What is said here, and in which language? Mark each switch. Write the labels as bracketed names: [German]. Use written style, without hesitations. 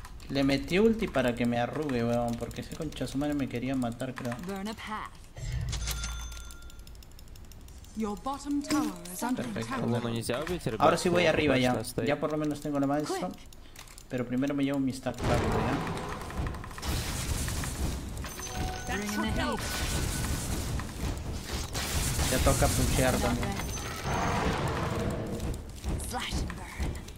[Spanish] Le metí ulti para que me arrugue, weón, porque ese concha su madre me quería matar, creo. [English] Burn a path. Your bottom tower is under attack. [Spanish] Perfecto. Ahora sí voy arriba ya. Ya por lo menos tengo la maestro. Pero primero me llevo mi stack rápido ya. [English] That's [Spanish] Ya toca puchear también. [English] Flash and burn.